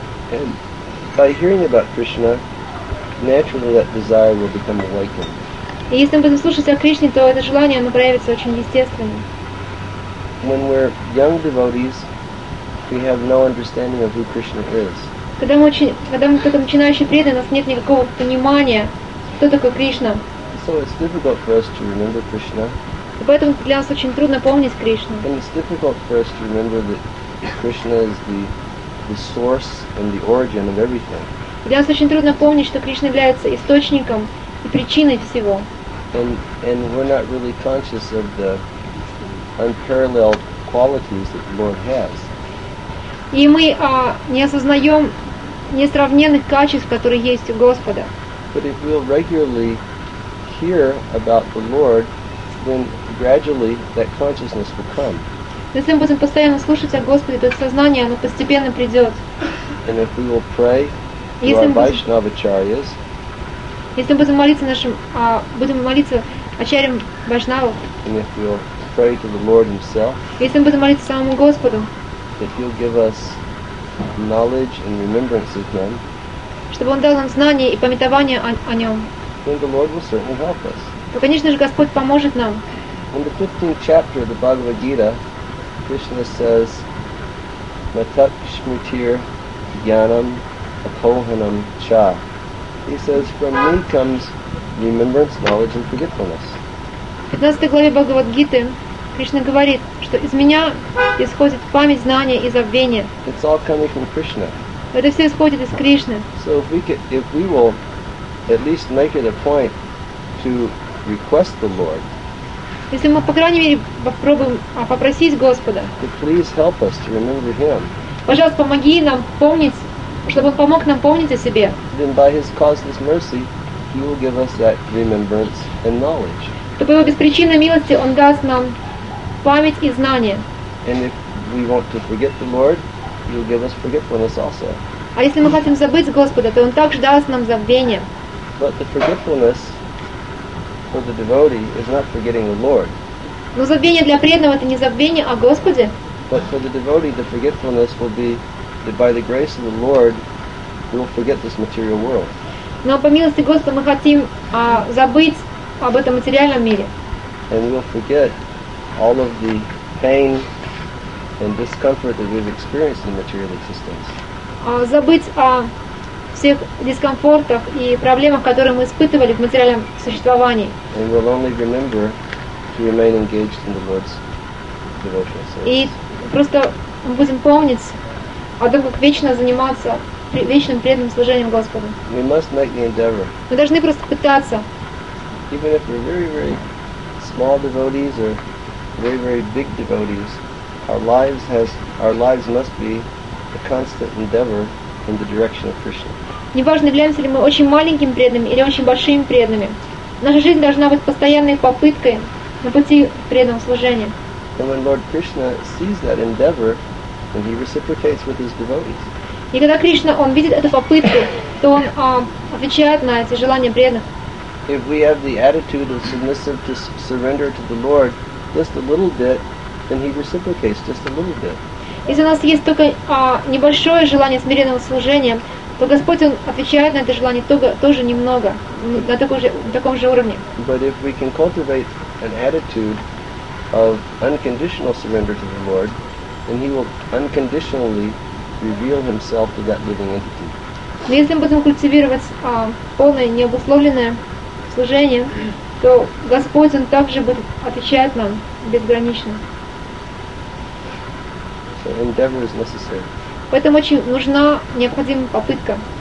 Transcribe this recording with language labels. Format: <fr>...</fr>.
<en>And by hearing about Krishna, naturally that desire will become awakened.</en> <ru>И если мы будем слушать о Кришне, то это желание, оно проявится очень естественно.</ru> <en>When we're young devotees, we have no understanding of who Krishna is.</en> <ru>Когда мы начинающие преданные, у нас нет никакого понимания, кто такой Кришна.</ru> <en>So it's difficult for us to remember Krishna.</en> <ru>И поэтому для нас очень трудно помнить Кришну.</ru> <en>And it's difficult for us to remember that Krishna is the source and the origin of everything.</en> <ru>Для нас очень трудно помнить, что Кришна является источником и причиной всего.</ru> <en>And we're not really conscious of the unparalleled qualities that the Lord has.</en> <ru>И мы не осознаем несравненных качеств, которые есть у Господа.</ru> <en>But if we'll regularly hear about the Lord, then gradually that consciousness will come.</en> <ru>Если мы будем постоянно слушать о Господе, то сознание, оно постепенно придет.</ru> <en>And if we will pray to our Vaishnava Acharyas,</en> <ru>если мы будем молиться нашим, будем молиться Ачарьям Вайшнавов,</ru> <en>and if we will pray to the Lord Himself,</en> <ru>если мы будем молиться самому Господу,</ru> <en>that He'll give us knowledge and remembrance of Him,</en> <ru>чтобы Он дал нам знания и памятование о Нем,</ru> <en>then the Lord will certainly help us.</en> <ru>То, конечно же, Господь поможет нам.</ru> <en>In the 15th chapter of the Bhagavad Gita, Krishna says,</en> <sa>"Matak smritir jnanam apohanam cha."</sa> <en>He says, "From me comes remembrance, knowledge, and forgetfulness."</en> <ru>В 15 главе Бхагавад Гиты Кришна говорит, что из меня исходит память, знание и забвение.</ru> <en>It's all coming from Krishna.</en> <ru>Это все исходит из Кришны.</ru> <en>So if we will at least make it a point to request the Lord.</en> <ru>Если мы, по крайней мере, попробуем попросить Господа,</ru> <en>please help us to remember Him.</en> <ru>Пожалуйста, помоги нам помнить, чтобы Он помог нам помнить о себе.</ru> <en>Then by His causeless mercy, He will give us that remembrance and knowledge.</en> <ru>То по Его беспричинной милости Он даст нам память и знание.</ru> <en>And if we want to forget the Lord, He will give us forgetfulness also.</en> <ru>А если мы хотим забыть Господа, то Он также даст нам забвение.</ru> <en>But the forgetfulness for the devotee is not forgetting the Lord.</en> <ru>Но забвение для преданного — это не забвение о Господе.</ru> <en>But for the devotee, the forgetfulness will be that by the grace of the Lord, we will forget this material world.</en> <ru>Но по милости Господа мы хотим забыть об этом материальном мире.</ru> <en>And we'll forget all of the pain and discomfort that we've experienced in material existence.</en> <ru>Забыть о всех дискомфортах и проблемах, которые мы испытывали в материальном существовании.</ru> <en>And we'll only remember to remain engaged in the Lord's devotional service.</en> <ru>И просто мы будем помнить о том, как вечно заниматься вечным преданным служением Господу.</ru> <en>We must make the endeavor.</en> <ru>Мы должны просто пытаться.</ru> <en>Even if we're very, very small devotees or very, very big devotees, our lives must be a constant endeavor in the direction of Krishna.</en> <ru>Неважно, являемся ли мы очень маленьким преданным или очень большим преданными, наша жизнь должна быть постоянной попыткой на пути преданного служения.</ru> <en>And when Lord Krishna sees that endeavor, then He reciprocates with His devotees.</en> <ru>И когда Кришна, Он видит эту попытку, то Он отвечает на эти желания преданных.</ru> <en>If we have the attitude of submissive to surrender to the Lord just a little bit, then He reciprocates just a little bit.</en> <ru>Если у нас есть только небольшое желание смиренного служения, то Господь, Он отвечает на это желание тоже немного, на таком же уровне.</ru> <en>But if we can cultivate an attitude of unconditional surrender to the Lord, then He will unconditionally reveal Himself to that living entity.</en> <ru>Но если мы будем культивировать полное необусловленное служение, то Господь, Он также будет отвечать нам безгранично.</ru> <en>So endeavor is necessary.</en> <ru>Поэтому очень нужна необходимая попытка.</ru>